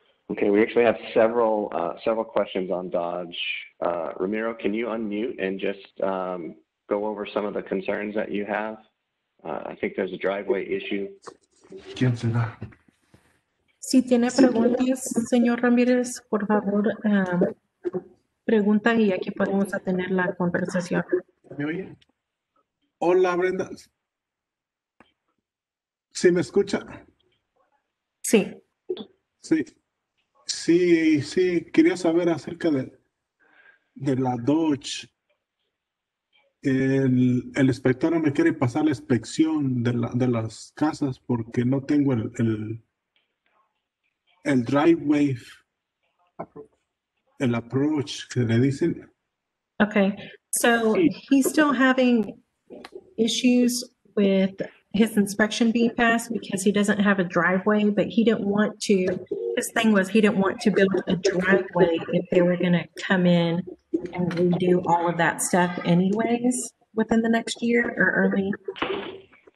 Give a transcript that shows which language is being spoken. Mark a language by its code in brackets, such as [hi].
[en] Okay, we actually have several questions on Dodge. Ramiro, can you unmute and just go over some of the concerns that you have? I think there's a driveway issue. [es] ¿Quién será? Si tiene preguntas, señor Ramírez, por favor, pregunta y aquí podemos tener la conversación. ¿Me oye? Hola, Brenda. ¿Sí me escucha? Sí. Sí. Sí, sí, quería saber acerca de la Dodge. El inspector me quiere pasar la inspección de las casas porque no tengo el driveway, el approach que le dicen. [en] Okay, so he's still having issues with his inspection being passed because he doesn't have a driveway, but he didn't want to. His thing was he didn't want to build a driveway if they were going to come in and redo all of that stuff anyways within the next year or early.